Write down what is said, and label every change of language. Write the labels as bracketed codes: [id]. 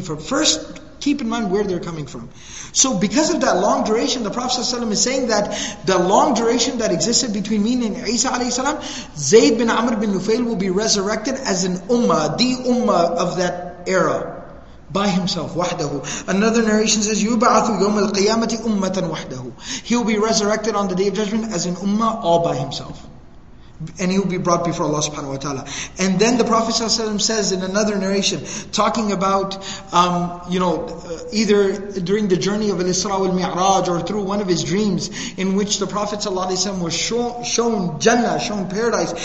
[en] For first, keep in mind where they're coming from. So because of that long duration, the Prophet ﷺ is saying that the long duration that existed between me and Isa alayhi salam, Zayd bin Amr bin Nufail will be resurrected as an ummah, the ummah of that era, by himself, wahdahu. Another narration says, [ar] يُبَعَثُ يَوْمَ الْقِيَامَةِ أُمَّةً وَحْدَهُ. [en] He will be resurrected on the Day of Judgment as an ummah all by himself. And he will be brought before Allah subhanahu wa ta'ala. And then the Prophet ﷺ says in another narration, talking about, you know, either during the journey of al-Isra wal-Mi'raj or through one of his dreams in which the Prophet ﷺ was shown Jannah, shown paradise.